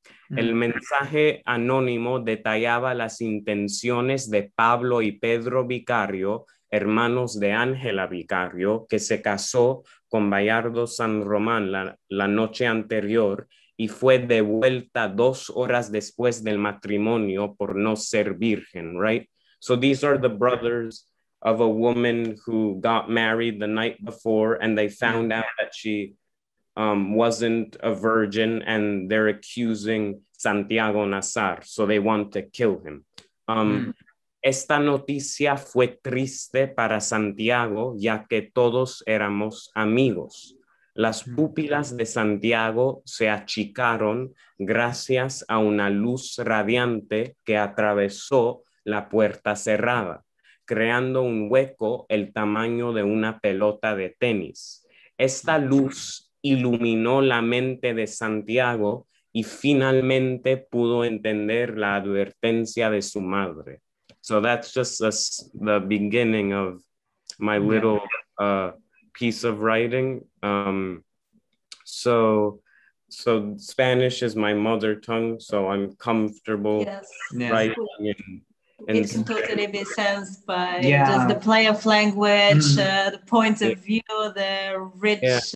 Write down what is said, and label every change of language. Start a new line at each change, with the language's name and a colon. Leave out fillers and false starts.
Spanish: El mensaje anónimo detallaba las intenciones de Pablo y Pedro Vicario, hermanos de Ángela Vicario, que se casó con Bayardo San Román la noche anterior y fue devuelta 2 horas después del matrimonio por no ser virgen,
English: right? So these are the brothers of a woman who got married the night before and they found out that she wasn't a virgin and they're accusing Santiago Nazar, so they want to kill him.
Spanish: Esta noticia fue triste para Santiago, ya que todos éramos amigos. Las pupilas de Santiago se achicaron gracias a una luz radiante que atravesó la puerta cerrada, creando un hueco el tamaño de una pelota de tenis. Esta luz iluminó la mente de Santiago y finalmente pudo entender la advertencia de su madre.
English: So that's just the beginning of my little piece of writing. So Spanish is my mother tongue, so I'm comfortable writing in it can totally be sensed by just the play of language, the point of view, the rich